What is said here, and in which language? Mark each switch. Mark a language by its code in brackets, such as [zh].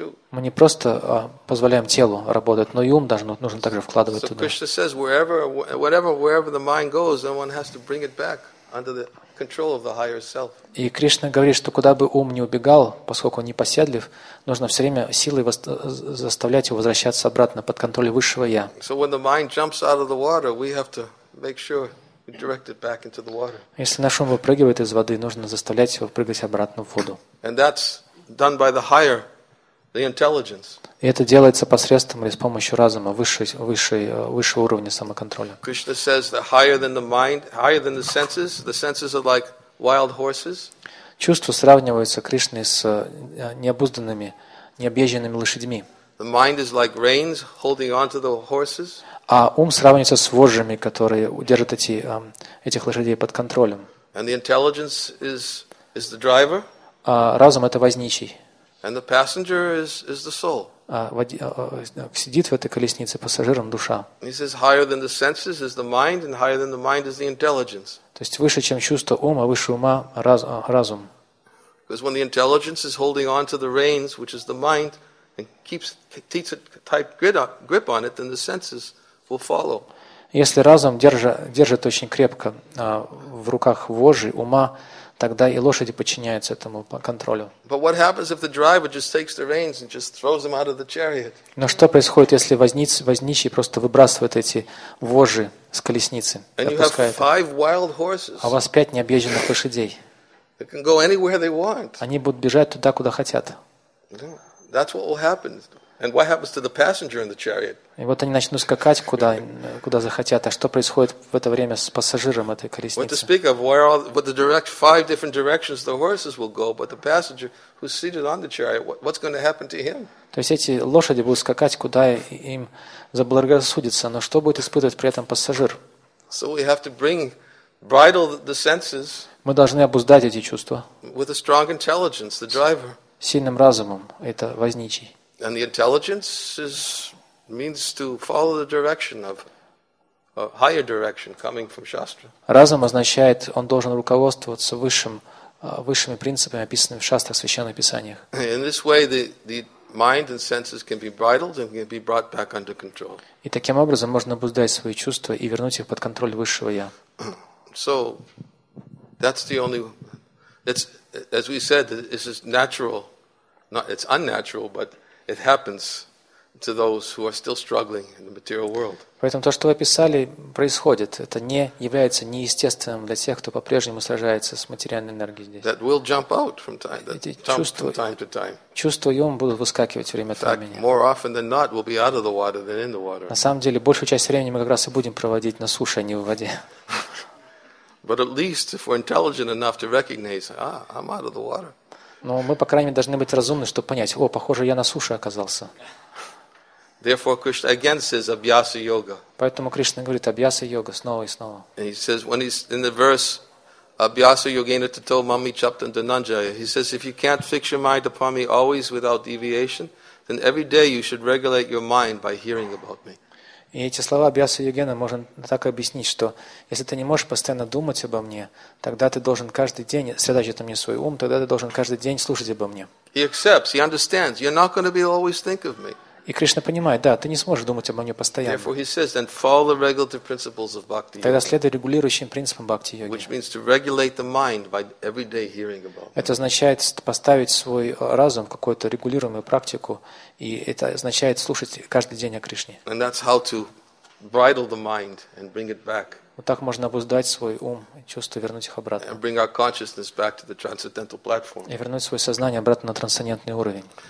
[ru] Мы не просто позволяем телу работать, но и ум должен, нужно также вкладывать туда. [en] Кришна says, wherever the mind goes, then one has to bring it back under the control of the higher self. [ru] И Кришна говорит, что куда бы ум ни убегал, поскольку он непоседлив, нужно все время силой заставлять его возвращаться обратно под контроль высшего я. [en] So when the mind jumps out of the water, we have to make sure we direct it back into the water. [ru] Если наш ум выпрыгивает из воды, нужно заставлять его прыгать обратно в воду. [en] And that's done by the higher, the intelligence. [ru] И это делается посредством или с помощью разума высшего уровня самоконтроля. [en] Krishna says that higher than the mind, higher than the senses are like wild horses. [ru] Чувства сравниваются Кришной с необузданными, необъезженными лошадьми. [en] The mind is like reins holding onto the horses. [ru] А ум сравнивается с вожжами, которые держат этих лошадей под контролем. [en] And the intelligence is the driver. [ru] А разум это возничий. [en] And the passenger is the soul. [ru] Сидит в этой колеснице пассажиром душа. [en] He says higher than the senses is the mind, and higher than the mind is the intelligence. [ru] То есть выше, чем чувство ума, выше ума разум. [en] Because when the intelligence is holding on to the reins, which is the mind, and keeps a tight grip on it, then the senses will follow. [ru] Если разум держит очень крепко в руках вожжи ума, тогда и лошади подчиняются этому контролю. Но что происходит, если возничий просто выбрасывает эти вожжи с колесницы, отпускает? А у вас 5 необъезженных лошадей. [en] They can go anywhere they want. [ru] Они будут бежать туда, куда хотят. [en] That's what will happen. And what happens to the passenger in the chariot? [ru] И вот они начнут скакать куда захотят. А что происходит в это время с пассажиром этой колесницы? [en] What to speak of? Where all what the direct 5 different directions the horses will go, but the passenger who's seated on the chariot, what's going to happen to him? [ru] То есть эти лошади будут скакать куда им заблагорассудится, но что будет испытывать при этом пассажир? [en] So we have to bring bridle the senses. [ru] Мы должны обуздать эти чувства. [en] With a strong intelligence, the driver. [ru] Сильным разумом, это возничий. [en] And the intelligence is means to follow the direction of a higher direction coming from Shastra. [ru] Разум означает, он должен руководствоваться высшими принципами, описанными в Шастрах, Священных Писаниях. [en] In this way, the mind and senses can be bridled and can be brought back under control. [ru] И таким образом можно обуздать свои чувства и вернуть их под контроль высшего Я. [en] So that's the only. It's as we said. This is natural. Not it's unnatural, but it happens to those who are still struggling in the material world. [ru] Поэтому то, что вы описали, происходит. Это не является неестественным для тех, кто по-прежнему сражается с материальной энергией здесь. [en] That will jump out from time. [ru] Чувства и ум будут выскакивать время от времени. [en] More often than not, we'll be out of the water than in the water. [ru] На самом деле, большую часть времени мы как раз и будем проводить на суше, а не в воде. [en] But at least if we're intelligent enough to recognize, I'm out of the water. [ru] Но мы, по крайней мере, должны быть разумны, чтобы понять, о, похоже, я на суше оказался. [en] Therefore, Krishna again says, Abhyasa Yoga. [ru] Поэтому Кришна говорит, Абьяса Йога, снова и снова. [en] And he says, when he's in the verse, [sa] Abhyasa Yogena Tato Mami Chaptan Dhananjaya, [en] he says, if you can't fix your mind upon me always without deviation, then every day you should regulate your mind by hearing about me. [ru] И эти слова Абьяса Йогена можно так объяснить, что если ты не можешь постоянно думать обо мне, тогда ты должен каждый день, следовать это мне свой ум, тогда ты должен каждый день слушать обо мне. [en] He accepts, he understands, you're not going to be always think of me. [ru] И Кришна понимает, да, ты не сможешь думать обо мне постоянно. [en] Therefore he says, then follow the regulative principles of bhakti yoga. [ru] Тогда следуй регулирующим принципам бхакти йоги. [en] Which means to regulate the mind by every day hearing about. [ru] Это означает поставить свой разум в какую-то регулируемую практику, и это означает слушать каждый день о Кришне. [en] And that's how to bridle the mind and bring it back. [ru] Вот так можно обуздать свой ум, чувства, вернуть их обратно. [en] And bring our consciousness back to the transcendental platform. [ru] И вернуть свое сознание обратно на трансцендентный уровень.